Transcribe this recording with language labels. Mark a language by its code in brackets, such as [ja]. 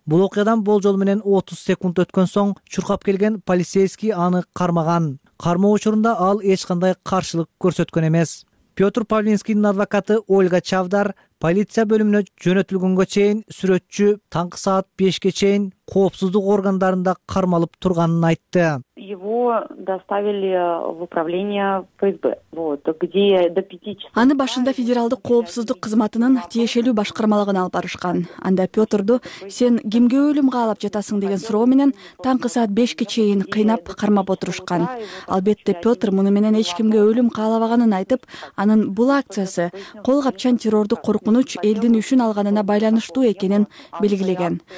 [ky] Бул окуядан болжол менен 30 секунд өткөн соң чуркап келген полицейский аны кармаган. Кармоо учурунда ал эч кандай каршылык көрсөткөн эмес. Петр Павлинскийдин адвокаты Ольга Чавдар полиция бөлүмүнө жөнөтүлгөнгө чейин сүрөтчү таңкы саат 5 чейин коопсуздук органдарында кармалып турганын айтты. [ru] Его доставили в управление ФСБ. Вот, где до 5 часов. [ky] Аны башында федералдык коопсуздук кызматынын тиешелүү башкармалыгына алып барышкан. Анда Петрду "Сен кимге өлүмгө алып жатасың?" деген суроо менен таңкы саат 5 чейин кыйнап кармап отурушкан. Албетте Петр муну менен эч кимге өлүм каалабаганын айтып, анын бул акциясы кол капчан террорду коркунуч элдин үшүн алганына байланыштуу экенин белгилеген.